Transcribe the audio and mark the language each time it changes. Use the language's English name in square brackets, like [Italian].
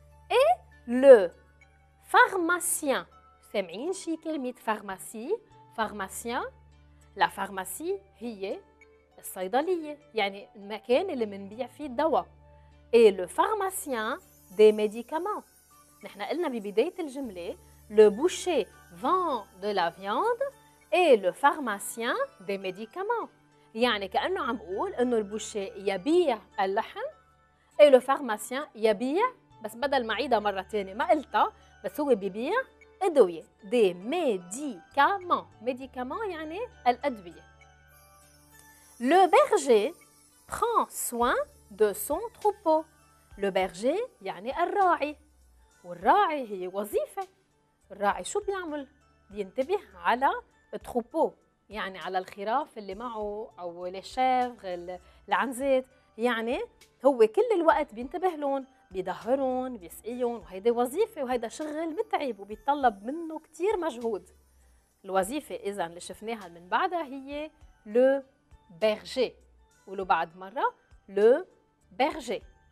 [French] et le pharmacien [Arabic] سامعين شي كلمة [French] pharmacie pharmacien la pharmacie [Arabic] هي الصيدلية يعني المكان اللي منبيع فيه الدواء [French] et le pharmacien des médicaments [Arabic] نحن قلنا ببداية الجملة [French] Le boucher vend de la viande et le pharmacien des médicaments. [Arabic] يعني كأنه عم بقول إنه البوشير يبيع اللحم [French] et le pharmacien [Arabic] يبيع بس بدل ما عيدها مرة تانية ما قلتها بس هو بيبيع أدوية. [French] Des médicaments. Médicaments [Arabic] يعني الأدوية. [French] Le berger prend soin de son troupeau. Le berger [Arabic] يعني الراعي. والراعي هي وظيفة. الراعي شو بيعمل؟ بينتبه على التروبو يعني على الخراف اللي معه أو الشافغ العنزات يعني هو كل الوقت بينتبه لهم بيدهرهم بيسقيهم وهيدي وظيفة وهيدا شغل متعب وبيطلب منه كتير مجهود الوظيفة إذن اللي شفناها من بعدها هي [French] le berger [Arabic] ولو بعد مرة le berger